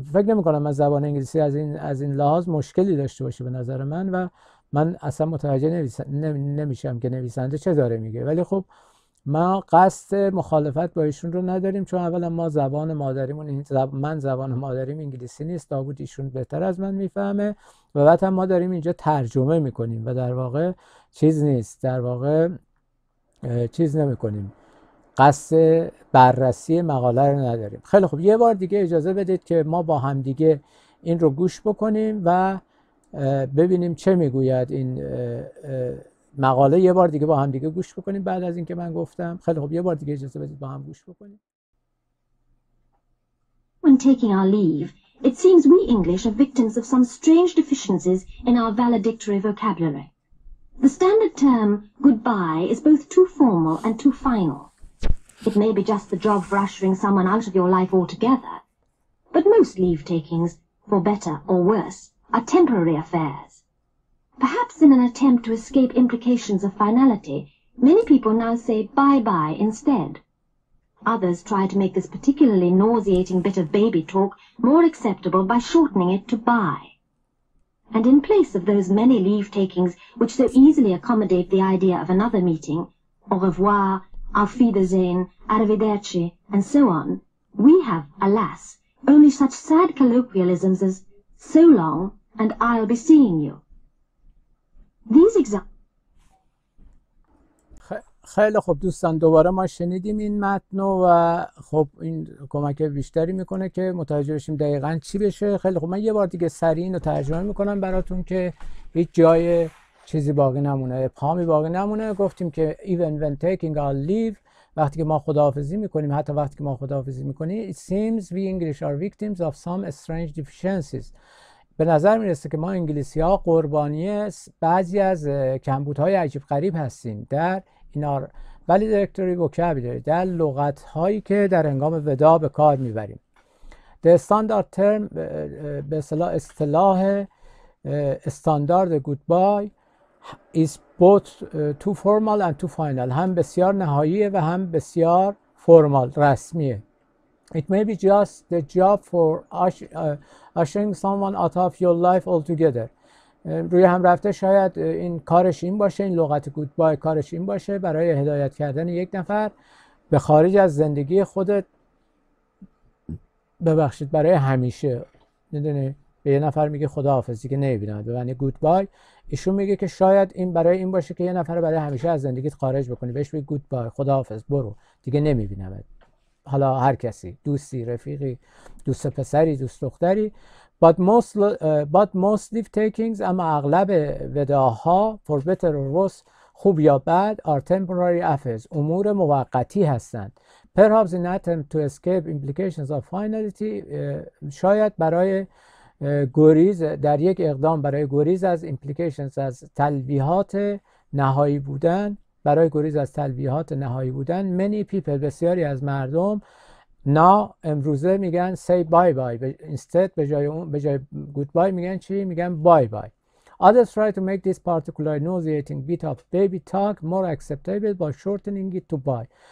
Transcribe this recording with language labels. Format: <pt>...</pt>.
<fa>فکر نمی کنم از زبان انگلیسی از این لحاظ مشکلی داشته باشه به نظر من، و من اصلا متوجه نمیشم که نویسنده چه داره میگه، ولی خب ما قصد مخالفت با ایشون رو نداریم، چون اولا ما زبان مادریمون، من زبان مادریم انگلیسی نیست، داوود ایشون بهتر از من میفهمه، و بعد هم ما داریم اینجا ترجمه میکنیم و در واقع چیز نیست، در واقع چیز نمیکنیم، قصد بررسی مقاله رو نداریم. خیلی خب، یه بار دیگه اجازه بدید که ما با هم دیگه این رو گوش بکنیم و ببینیم چه میگوید این مقاله، یه بار دیگه با هم دیگه گوش بکنیم بعد از اینکه من گفتم. خیلی خوب، یه بار دیگه اجازه بدید با هم گوش بکنیم.</fa> <en>When taking our leave, it seems we English are victims of some strange deficiencies in our valedictory vocabulary. The standard term goodbye is both too formal and too final. It may be just the job for ushering someone out of your life altogether. But most leave takings, for better or worse, are temporary affairs. Perhaps in an attempt to escape implications of finality, many people now say bye-bye instead. Others try to make this particularly nauseating bit of baby talk more acceptable by shortening it to bye. And in place of those many leave-takings which so easily accommodate the idea of another meeting,</en> <fr>au revoir,</fr> <de>auf Wiedersehen,</de> <it>arrivederci,</it> <en>and so on, We have, alas, only such sad colloquialisms as so long and I'll be seeing you. These examples.</en> <fa>خیلی خوب دوستان، دوباره ما شنیدیم این متن و خب این کمک بیشتری میکنه که متوجه بشیم دقیقا چی بشه. خیلی خوب، من یه بار دیگه سریع این رو ترجمه میکنم براتون که هیچ جای چیزی باقی نمونه، پامی باقی نمونه. گفتیم که</fa> <en>even when taking our leave،</en> <fa>وقتی که ما خداحافظی میکنیم، حتی وقتی که ما خداحافظی میکنیم،</fa> <en>it seems we English are victims of some strange deficiencies.</en> <fa>به نظر میرسه که ما انگلیسی ها قربانی بعضی از کمبودهای عجیب غریب هستیم در اینار ولی دایرکتوری وکابولری، در لغت هایی که در هنگام وداع به کار میبریم.</fa> <en>The standard term</en> <fa>به اصطلاح استاندارد گودبای</fa> <en>is both too formal and too final.</en> <fa>هم بسیار نهاییه و هم بسیار فرمال رسمیه.</fa> <en>It may be just the job for ushering someone out of your life altogether.</en> <fa>روی هم رفته شاید این کارش این باشه، این لغت گودبای کارش این باشه، برای هدایت کردن یک نفر به خارج از زندگی خودت، ببخشید، برای همیشه. میدونی به یه نفر میگه خداحافظی که نمیبیند، یعنی گودبای. ایشون میگه که شاید این برای این باشه که یه نفر برای همیشه از زندگیت خارج بکنی، بهش میگه گودبای، خداحافظ، برو دیگه نمیبینمت. حالا هر کسی، دوستی، رفیقی، دوست پسری، دوست دختری.</fa> <en>But most leave takings،</en> <fa>اما اغلب وداعها،</fa> <en>for better or worse،</en> <fa>خوب یا بد،</fa> <en>are temporary affairs،</en> <fa>امور موقتی هستند.</fa> <en>Perhaps in attempt to escape implications of finality،</en> <fa>شاید برای گریز، در یک اقدام برای گریز از implications، از تلویحات نهایی بودن، برای گریز از تلویحات نهایی بودن،</fa> <en>many people،</en> <fa>بسیاری از مردم، نا امروزه میگن</fa> <en>say bye bye instead،</en> <fa>به جای</fa> <en>good bye</en> <fa>میگن چی؟ میگن</fa> <en>bye bye. Others try to make this particular nauseating bit of baby talk more acceptable by shortening it to bye.</en>